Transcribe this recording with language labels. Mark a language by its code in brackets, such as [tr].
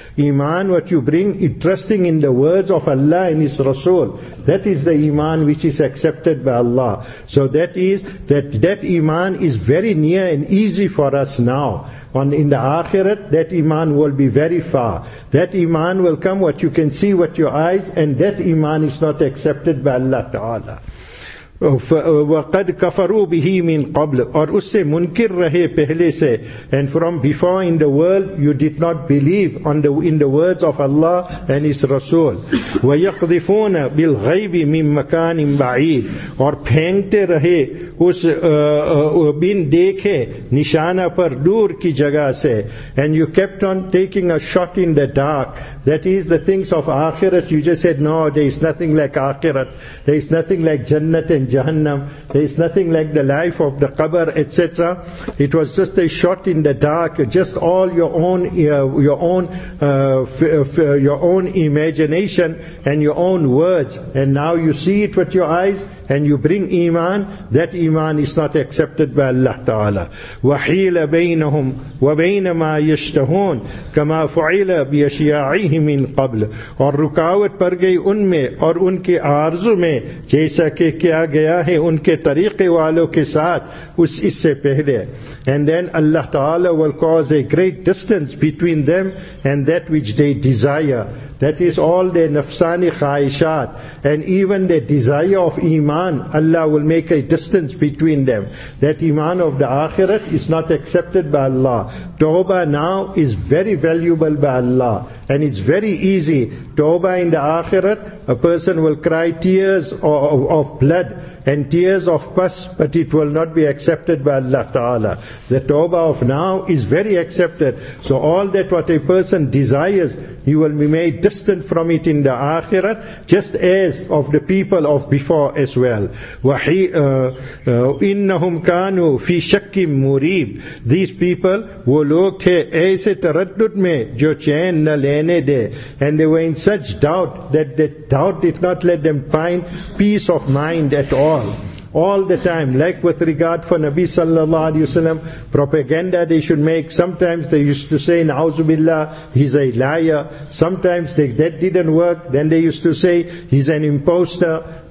[en] Iman, what you bring, trusting in the words of Allah and His Rasul, that is the iman which is accepted by Allah. So that is, that iman is very near and easy for us now. In the Akhirat, that iman will be very far. That iman will come what you can see with your eyes, and that iman is not accepted by Allah Ta'ala. [ar] وَقَدْ كَفَرُوا بِهِ مِنْ قَبْلُ [ur] اور اس سے منکر رہے پہلے سے. [en] And from before in the world, you did not believe in the words of Allah and His Rasul. [ar] وَيَقْذِفُونَ بِالْغَيْبِ مِنْ مَكَانٍ بَعِيدٍ [ur] اور پھینکتے رہے اس بن دیکھے نشانہ پر دور کی جگہ سے. [en] And you kept on taking a shot in the dark. That is the things of Akhirat. You just said, no, there is nothing like Akhirat. There is nothing like Jannat and Jahannam. There is nothing like the life of the Qabr, etc. It was just a shot in the dark, just all your own imagination and your own words. And now you see it with your eyes and you bring iman. That iman is not accepted by Allah Ta'ala. [ar] وَحِيلَ بَيْنَهُمْ وَبَيْنَ مَا يَشْتَهُونَ كَمَا فُعِلَ بِيَشْيَاعِهِ مِنْ قَبْلِ [ur] اور رکاوٹ پر گئی ان میں اور ان کے عارض میں جیسا کہ کیا گیا ہے ان کے طریقے والوں کے ساتھ اس سے پہلے. [en] And then Allah Ta'ala will cause a great distance between them and that which they desire. That is all their nafsani khaishat. And even the desire of iman, Allah will make a distance between them. That iman of the Akhirat is not accepted by Allah. Tawbah now is very valuable by Allah. And it's very easy. Tawbah in the Akhirat, a person will cry tears of blood and tears of pus, but it will not be accepted by Allah Ta'ala. The tawbah of now is very accepted. So all that what a person desires, he will be made distant from it in the Akhirat, just as of the people of before as well. [ar] إِنَّهُمْ كَانُوا فِي شَكِّمْ مُرِيبِ [en] These people, [ur] وہ لوگ تھے ایسے تردد میں جو چین نہ لینے دے. [en] And they were in such doubt that the doubt did not let them find peace of mind at all. All the time, like with regard for Nabi sallallahu alayhi wa sallam, propaganda they should make. Sometimes they used to say, Na'uzubillah, he's a liar. Sometimes that didn't work. Then they used to say, he's an imposter.